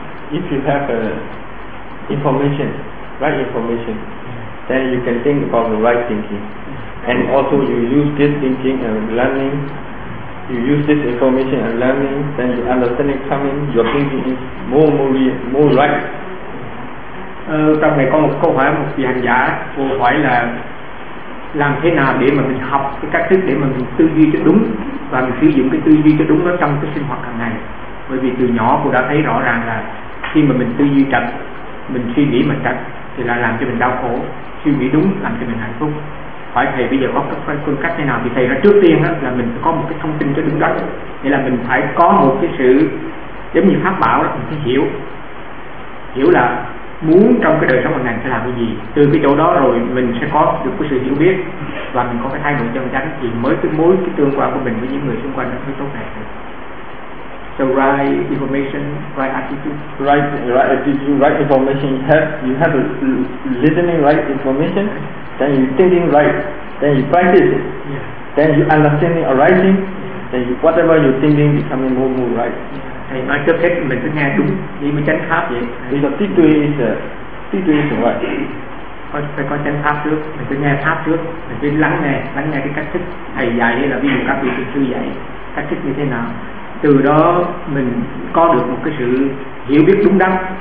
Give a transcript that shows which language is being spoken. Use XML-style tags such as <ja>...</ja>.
<en>If you have information, right information, then you can think about the right thinking. And also you use this thinking and learning, you use this information and learning, then you understand it coming, your thinking is more right.</en> <vi>Trong này có một câu hỏi một vị hành giả, cô hỏi là làm thế nào để mà mình học cái cách thức để mà mình tư duy cho đúng và mình sử dụng cái tư duy cho đúng đó trong cái sinh hoạt hàng ngày. Bởi vì từ nhỏ cô đã thấy rõ ràng là khi mà mình tư duy chậm, mình suy nghĩ mà chậm thì là làm cho mình đau khổ, suy nghĩ đúng làm cho mình hạnh phúc. Hỏi thầy bây giờ có cái phương cách thế nào, thì thầy nói trước tiên đó, là mình có một cái thông tin cho đúng đắn, nghĩa là mình phải có một cái sự giống như pháp bảo đó, mình phải hiểu là muốn trong cái đời sống hàng ngày sẽ làm cái gì. Từ cái chỗ đó rồi mình sẽ có được cái sự hiểu biết và mình có cái thái độ chân chánh thì mới cái mối cái tương quan của mình với những người xung quanh nó mới tốt đẹp.</vi> <en>So right information, right attitude. Right attitude, right information. You have a listening right information, then you thinking right, then you practice it, then you understanding arising, then you, whatever you thinking becoming more right.</en> <vi>Thầy nói trước hết mình cứ nghe đúng đi mới chánh pháp vậy. Bây giờ tích tuy như vậy. Phải có chánh pháp trước, mình cứ nghe pháp trước, mình cứ lắng nghe cái cách thức thầy dạy, hay là ví dụ các vị thiền sư dạy cách thức như thế nào. Từ đó mình có được một cái sự hiểu biết đúng đắn.</vi>